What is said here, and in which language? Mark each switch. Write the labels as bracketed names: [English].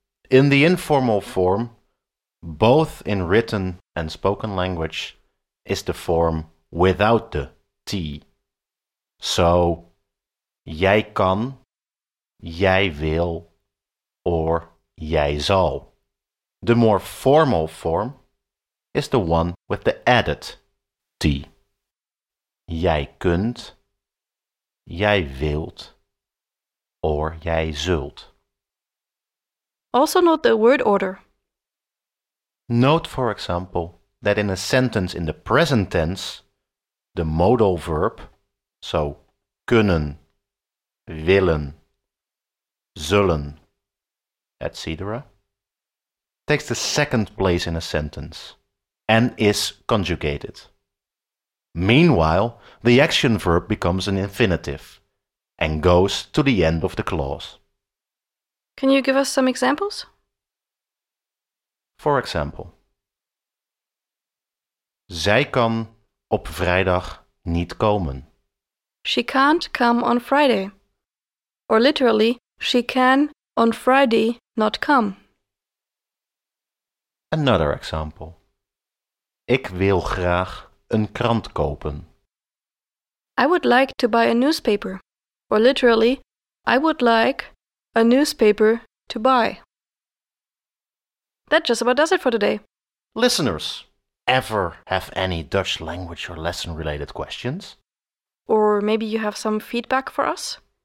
[English] In the informal form, both in written and spoken language, is the form without the T. [Dutch] So, jij kan, jij wil, [English] or [Dutch] jij zal. [English] The more formal form is the one with the added T. [Dutch] Jij kunt, jij wilt, or jij zult. [English] Also note the word order. Note, for example, that in a sentence in the present tense, the modal verb, so kunnen, willen, zullen, etc., takes the second place in a sentence and is conjugated. Meanwhile, the action verb becomes an infinitive and goes to the end of the clause. Can you give us some examples? For example, [Dutch] zij kan op vrijdag niet komen. [English] She can't come on Friday. Or literally, she can on Friday not come. Another example. [Dutch] Ik wil graag een krant kopen. [English] I would like to buy a newspaper. Or literally, I would like a newspaper to buy. That just about does it for today. Listeners, ever have any Dutch language or lesson-related questions? Or maybe you have some feedback for us?